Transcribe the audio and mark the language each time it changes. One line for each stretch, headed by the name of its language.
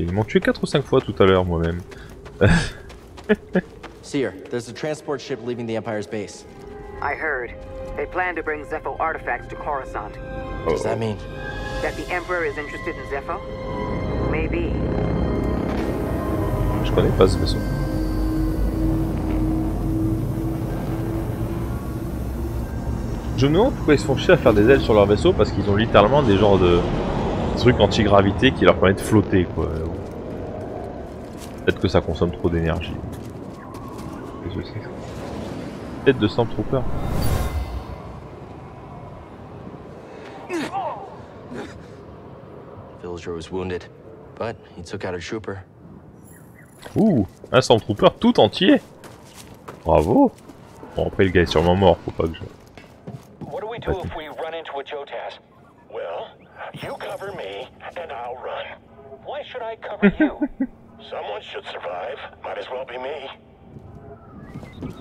French: Ils m'ont tué 4 ou 5 fois tout à l'heure moi-même.
English: Seer, there's a transport ship leaving the Empire's base. I heard. They plan to bring Zepho artifacts to Coruscant. What does that mean? That the Emperor is interested in Zepho? Maybe.
French: Je connais pas ce vaisseau. Je me demande pourquoi ils se font chier à faire des ailes sur leur vaisseau parce qu'ils ont littéralement des genres de trucs anti-gravité qui leur permettent de flotter quoi. Peut-être que ça consomme trop d'énergie. Qu'est-ce que c'est ? Tête de Stormtrooper.
English: Villager was wounded, but he took out a trooper.
French: Ouh, un Stormtrooper tout entier. Bravo. Bon après le gars est sûrement mort, faut pas que je.
English: What do we run into a Jotas? Well, you cover me and I'll run. Why should I cover you? Someone should survive. Might as well be me.